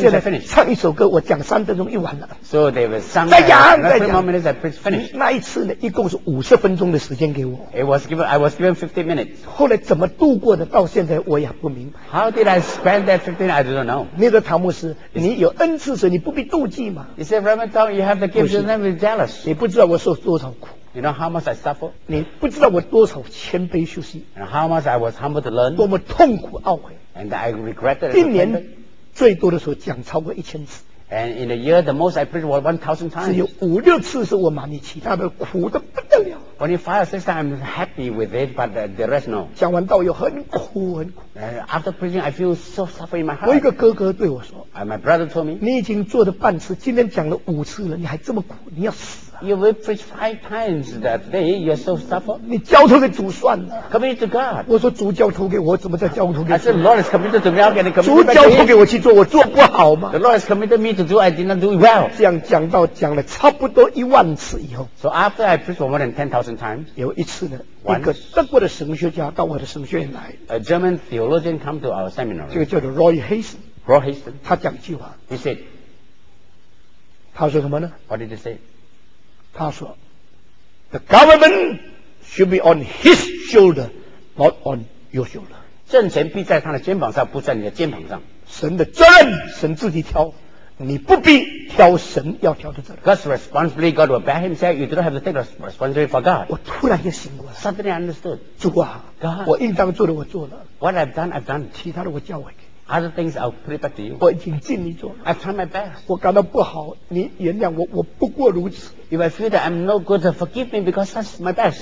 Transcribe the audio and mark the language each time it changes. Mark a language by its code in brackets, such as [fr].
[zh] 现在唱一首歌，我讲三分钟就完了。 [en] So there was some. [zh] 再讲，再讲。 [en] Minutes, preach, [zh] 那一次呢，一共是50分钟的时间给我。 [en] It was given. I was given 50 minutes. [zh] 后来怎么度过的，到现在我也不明白。 [en] How did I spend that 15? I don't know. [zh] 那个唐牧师，你有恩赐时，你不必妒忌嘛。 [en] You say, Reverend Tom, you have the gift, you never jealous. [zh] 你不知道我受多少苦。 [en] You know how much I suffer? [zh] 你不知道我多少谦卑休息。 [en] And how much I was humble to learn? [zh] 多么痛苦懊悔。 [en] And I regretted. [zh] 一年最多的时候讲超过1000次。 [en] And in a year, the most I preached was 1,000 times. [zh] 只有5-6次是我满意，其他的苦得不得了。 [en] When you fire 6 times, I'm happy with it, but the rest no. [zh] 讲完道又很苦很苦。 [en] After preaching, I feel so suffering in my heart. [zh] 我一个哥哥对我说 [en] ，And my brother told me, [zh] 你已经做了半次，今天讲了5次了，你还这么苦，你要死。 [en] You will preach 5 times that day. You're so stubborn. [zh] 你交托给主算了。 [en] Commit to God. [zh] 我说主交托给我，怎么再交托给 [en] 主？ I said Lord is committed to me. I'll get the commitment. [zh] 主交托给我去做，我做不好吗？ [en] The Lord has committed me to do. I did not do well. [zh] 这样讲到讲了差不多10,000次以后。 [en] So after I preached more than 10,000 times. [zh] 有一次呢， [en] Once, [zh] 一个德国的神学家到我的神学院来。 [en] A German theologian come to our seminar. [zh] 这个叫做 Roy Hazen. [en] Roy Hazen. [zh] 他讲一句话。 [en] He said. [zh] 他说什么呢？ [en] What did he say? [zh] 他说 [en] ，The government should be on his shoulder, not on your shoulder. [zh] 政权必在他的肩膀上，不在你的肩膀上。神的责任，神自己挑，你不必挑神要挑的责任。 [en] God's responsibility, God will bear himself. You don't have to take responsibility for God. [zh] 我突然间醒过来 [en] ，Suddenly understood. [zh] 主啊 [en] ，God， [zh] 我应当做的我做了。 [en] What I've done, I've done. [zh] 其他的我交给你。 [en] Other things I'll put it back to you. [zh] 我已经尽力做了。 [en] I've tried my best. [zh] 我感到不好，你原谅我，我不过如此。 [en] If I feel that I'm no good, forgive me because that's my best.